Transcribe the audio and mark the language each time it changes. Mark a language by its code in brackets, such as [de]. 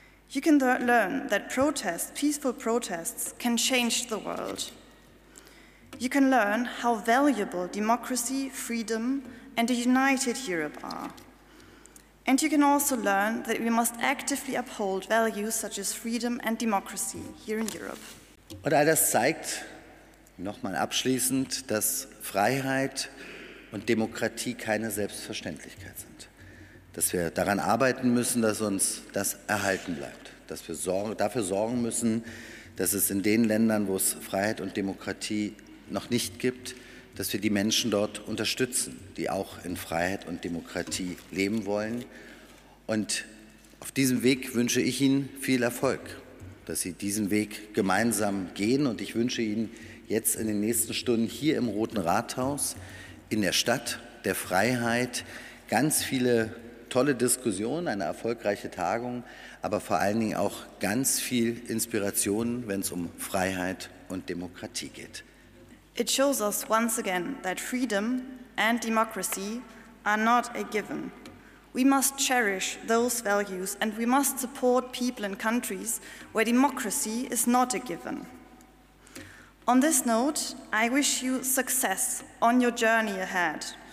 [en] You can learn that protests, peaceful protests, can change the world. You can learn how valuable democracy, freedom, and a united Europe are. And you can also learn that we must actively uphold values such as freedom and democracy here in Europe. [de] Und all das zeigt, nochmal abschließend, dass Freiheit und Demokratie keine Selbstverständlichkeit sind. Dass wir daran arbeiten müssen, dass uns das erhalten bleibt. Dass wir dafür sorgen müssen, dass es in den Ländern, wo es Freiheit und Demokratie noch nicht gibt, dass wir die Menschen dort unterstützen, die auch in Freiheit und Demokratie leben wollen. Und auf diesem Weg wünsche ich Ihnen viel Erfolg, dass Sie diesen Weg gemeinsam gehen. Und ich wünsche Ihnen jetzt in den nächsten Stunden hier im Roten Rathaus, in der Stadt der Freiheit, ganz viele tolle Diskussionen, eine erfolgreiche Tagung, aber vor allen Dingen auch ganz viel Inspiration, wenn es um Freiheit und Demokratie geht. [en] It shows us once again that freedom and democracy are not a given. We must cherish those values and we must support people in countries where democracy is not a given. On this note, I wish you success on your journey ahead.